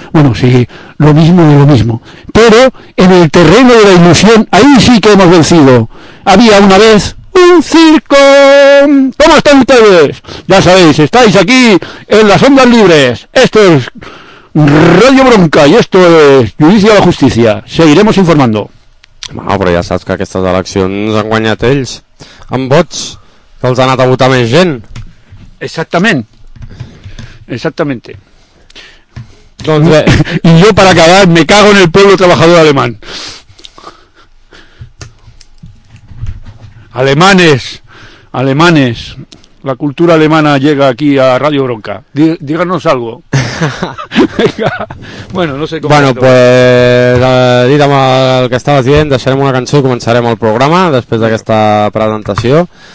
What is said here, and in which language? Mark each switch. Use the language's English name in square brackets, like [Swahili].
[Spanish] Bueno, sí, lo mismo de lo mismo. Pero en el terreno de la ilusión, ahí sí que hemos vencido. Había una vez un circo. ¿Cómo están ustedes? Ya sabéis, estáis aquí en las ondas libres. Esto es Radio Bronca y esto es Judici de la Justícia. Seguiremos informando. [Catalan] Bueno, però ja saps que aquestes eleccions han guanyat ells amb vots, que els ha anat a votar més gent. Exactament. Doncs, i jo, per acabar, [Spanish] me cago en el pueblo trabajador alemán. alemanes, la cultura alemana llega aquí a Radio Bronca. Díganos algo. Bueno, no sé cómo. [Catalan] Bueno, pues dit amb el que estaves dient, deixarem una cançó i començarem el programa després d'aquesta presentació.